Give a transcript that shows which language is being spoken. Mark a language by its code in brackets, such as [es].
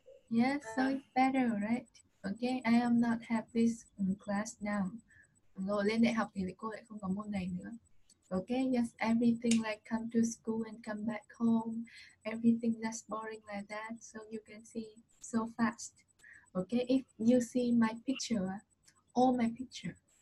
[en] Yes, so it's better, right? Okay, I am not have this class now. [vi] Lên đại học thì cô lại không có môn này nữa. [en] Okay, yes, everything like come to school and come back home, everything just boring like that. So you can see so fast. Okay, if you see my picture, all my picture.